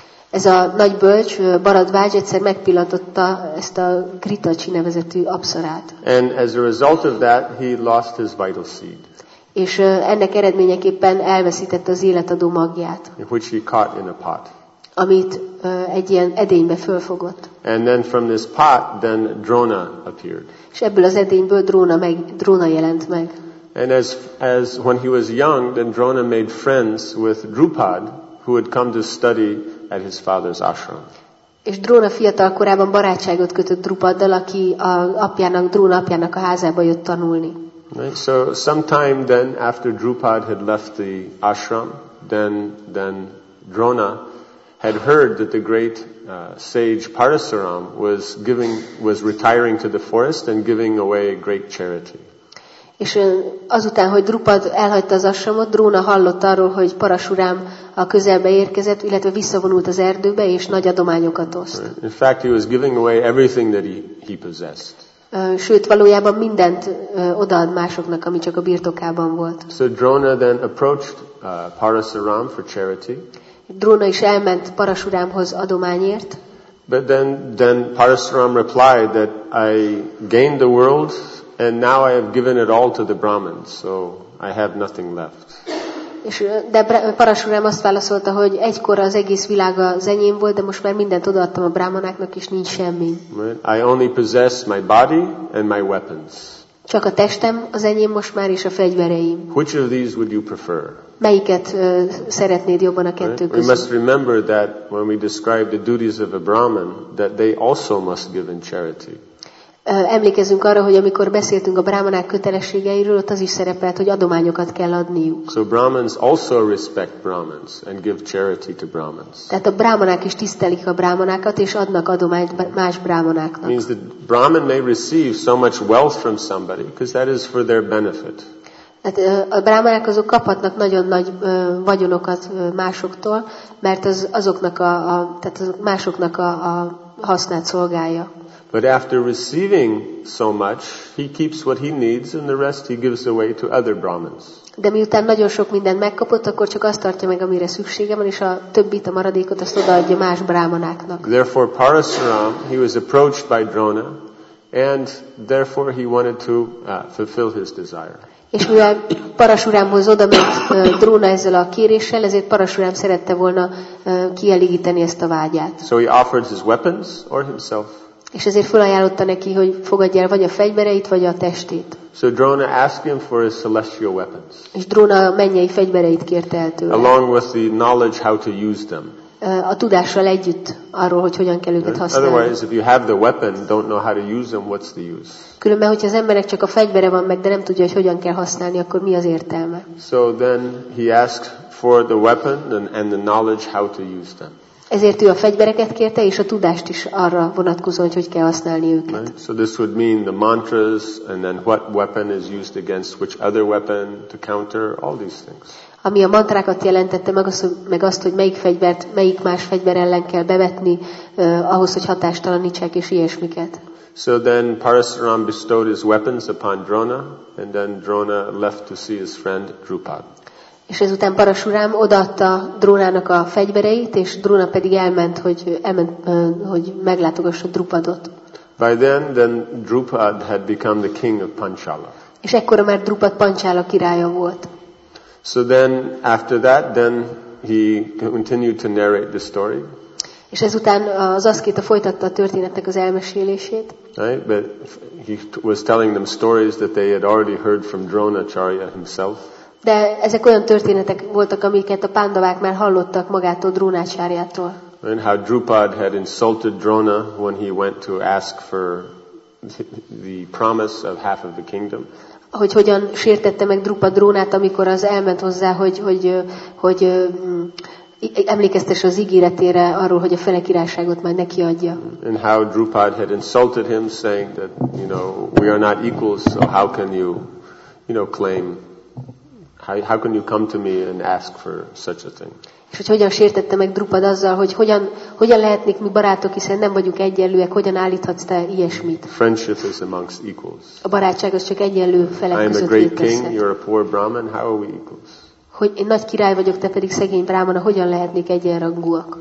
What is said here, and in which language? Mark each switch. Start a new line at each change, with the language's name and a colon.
Hungarian: Ez a nagy bölcs, Bharadvaj egyszer megpillantotta ezt a Gritachi nevezetű apsarát.
English: And as a result of that, he lost his vital seed.
Hungarian: És ennek eredményeképpen elveszítette az életadó magját.
English: Which he caught in a pot.
Hungarian: Amit egy ilyen edénybe fölfogott.
English: And then from this pot, then Drona appeared.
Hungarian: És ebből az edényből Drona jelent meg.
English: And as when he was young, then Drona made friends with Drupad, who had come to study at his father's ashram.
Hungarian: És Drona fiatal korában barátságot kötött Drupaddal, aki Drona apjának a házába jött tanulni.
English: Right. So sometime then after Drupad had left the ashram, then Drona had heard that the great sage Parasuram was retiring to the forest and giving away great charity.
Hungarian: És azután, hogy Drupad elhagyta az ashramot, Drona hallott arról, hogy Parasuram a közelbe érkezett, illetve visszavonult az erdőbe és nagy adományokat oszt.
English: Right. In fact, he was giving away everything that he possessed.
Hungarian: Sőt, valójában mindent odaad másoknak, ami csak a birtokában volt.
English: So Drona then approached Parasuram for charity.
Hungarian: Drona is elment Parasuramhoz adományért.
English: But then Parasuram replied that I gained the world and now I have given it all to the Brahmins, so I have nothing left.
Hungarian: De Parasuram azt válaszolta, hogy egykor az egész világ az enyém volt, de most már mindent odaadtam a brámanáknak, és nincs semmi.
English: I only possess my body and my weapons.
Hungarian: Csak a testem az enyém most már, és a fegyvereim.
English: Which of these would you prefer?
Hungarian: Melyiket szeretnéd jobban a kettő között?
English: We must remember that when we describe the duties of a Brahmin, that they also must give in charity.
Hungarian: Emlékezzünk arra, hogy amikor beszéltünk a brámanák kötelességeiről, ott az is szerepelt, hogy adományokat kell adniuk.
English: So Brahmins also respect Brahmins and give charity to Brahmins.
Hungarian: Tehát a brámanák is tisztelik a brámanákat és adnak adományt más brámanáknak.
English: Means that Brahmin may receive so much wealth from somebody because that is for their benefit.
Hungarian: Tehát a brámanák azok kaphatnak nagyon nagy vagyonokat másoktól, mert az azoknak tehát az másoknak a hasznát szolgálja.
English: But after receiving so much, he keeps what he needs and the rest he gives away to other Brahmins.
Hungarian: De miután nagyon sok mindent megkapott, akkor csak azt tartja meg, amire szüksége van, és a többit, a maradékot, azt odaadja más brámanáknak.
English: Therefore Parasuram, he was approached by Drona, and therefore he wanted to fulfill his desire.
Hungarian: És mivel Parasuramhoz odament Drona ezzel a kéréssel, ezért Parasuram szerette volna kielégíteni ezt a vágyát.
English: So he offered his weapons or himself.
Hungarian: És ezért felajánlotta neki, hogy fogadja el vagy a fegyvereit, vagy a testét.
English: So Drona asked him for his celestial weapons.
Hungarian: És Drona mennyei fegyvereit kérte el tőle.
English: Along with the knowledge how to use them.
Hungarian: A tudással együtt arról, hogy hogyan kell őket használni.
English: Otherwise, if you have the weapon, don't know how to use them, what's the use?
Hungarian: Különben, hogyha az embernek csak a fegyvere van meg, de nem tudja, hogy hogyan kell használni, akkor mi az értelme?
English: So then he asked for the weapon and the knowledge how to use them.
Hungarian: Ezért ő a fegyvereket kérte, és a tudást is arra vonatkozó, hogy hogyan kell használni őket.
English: Right? So this would mean the mantras and then what weapon is used against which other weapon to counter all these things.
Hungarian: Ami a mantrákat jelentette, meg azt, hogy melyik fegyvert, melyik más fegyver ellen kell bevetni, ahhoz, hogy hatástalanítsák, és ilyesmiket.
English: So then Parasaram bestowed his weapons upon Drona, and then Drona left to see his friend Drupad.
Hungarian: És ezután Parasuram odaadta Drónának a fegyvereit, és Drona pedig elment, hogy meglátogassa Drupadot.
English: By then Drupad had become the king of Panchala.
Hungarian: És ekkora már Drupad Panchala királya volt.
English: So then, after that, then he continued to narrate the story.
Hungarian: És ezután az aszkéta folytatta a történetnek az elmesélését.
English: Right, but he was telling them stories that they had already heard from Dronacharya himself.
Hungarian: De ezek olyan történetek voltak, amiket a pándavák már hallottak magától Drónácsáriától.
English: And how Drupad had insulted Drona when he went to ask for the promise of half of the kingdom.
Hungarian: Hogy hogyan sértette meg Drupad Drónát, amikor az elment hozzá, hogy emlékeztesse az ígéretére arról, hogy a fele királyságot majd neki adja.
English: And how Drupad had insulted him, saying that, you know, we are not equals, so how can you, you know, claim, how can you come to me and ask for such a thing?
Hungarian: És hogy hogyan sértette meg Drupad azzal, hogy hogyan lehetnék mi barátok, hiszen nem vagyunk egyenlőek, hogyan állíthatsz te ilyesmit?
English: Friendship is amongst equals.
Hungarian: A barátság az csak egyenlő felek között létezhet.
English: I am a great king, you're a poor Brahman, how are we equals?
Hungarian: Hogy én nagy király vagyok, te pedig szegény brámana, hogyan lehetnék egyenrangúak?